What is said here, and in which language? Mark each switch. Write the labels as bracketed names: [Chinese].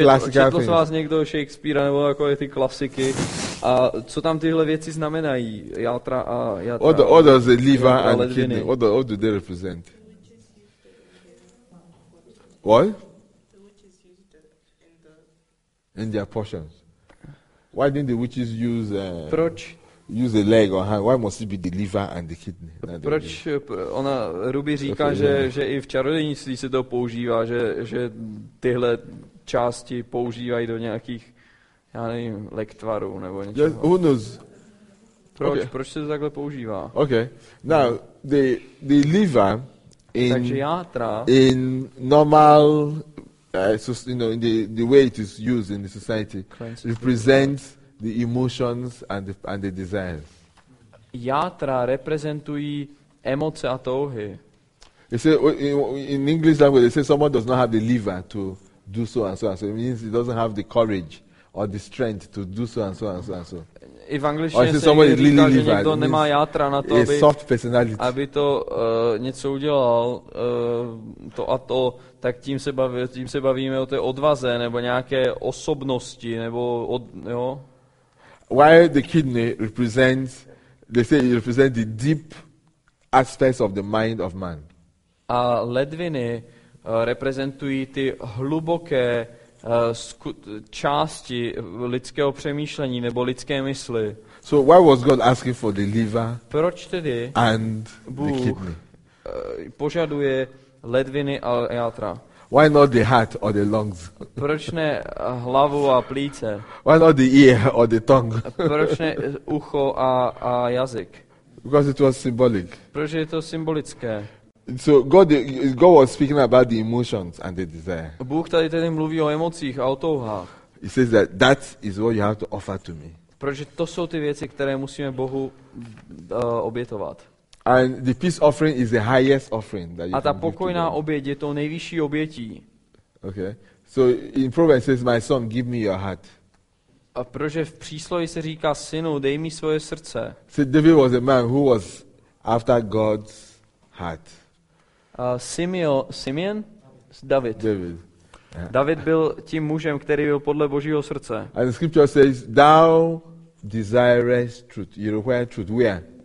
[Czech] Četl vás někdo Shakespeare nebo takové ty klasiky? A co tam tyhle věci znamenají? Játra. [English] What does the liver and kidney? What do they represent? What? In their portions. Why didn't the witches use? [Czech] Proč? [English] Use a leg or hand. Why must it be the liver and the kidney? [Czech] Proč ona Ruby říká, že i v čarodějnictví se to používá, že tyhle části používají do nějakých, já nevím, lektvarů nebo něčeho. [English] Yes, who knows? [Czech] Proč? Okay. Proč se to takhle používá? [English] Okay. Now the liver in [Czech] takže játra, [English] in normal so, you know, in the way it is used in the society represents the emotions and the desires. [Czech] Játra reprezentují emoce a touhy. [English] They say in English language they say someone does not have the liver to do so and so and so. It means he doesn't have the courage or the strength to do so and so and so and so. [Czech] I v angličtině se říká, že někdo liver, nemá játra na to, aby to něco udělal, to a to, tak tím se bavíme o té odvaze nebo nějaké osobnosti nebo jo. [English] Why the kidney represents, they say it represents the deep aspects of the mind of man. [Czech] A ledviny reprezentují ty hluboké části lidského přemýšlení nebo lidské mysli. [English] So why was God asking for the liver? [Czech] Proč tedy [English] and [Czech] Bůh [English] the kidney? [Czech] Požaduje ledviny a játra? [English] Why not the heart or the lungs? [Czech] Proč ne hlavu a plíce? [English] Why not the ear or the tongue? [Czech] Proč ne ucho a jazyk? [English] Because it was symbolic. [Czech] Protože je to symbolické. [English] So God was speaking about the emotions and the desire. [Czech] Bůh tady tedy mluví o emocích a o touhách. [English] He says that is what you have to offer to me. [Czech] Protože to jsou ty věci, které musíme Bohu obětovat. [English] And the peace offering is the highest offering that you can give. [Czech] A ta pokojná oběť je to nejvyšší obětí. [English] Okay. So in Proverbs says, my son, give me your heart. A protože v přísloví se říká, synu, dej mi svoje srdce. So David was a man who was after God's heart. Simeon? David. David. [Czech] David byl tím mužem, který byl podle Božího srdce. [English] And the scripture says, thou desirest truth. You require truth. Where?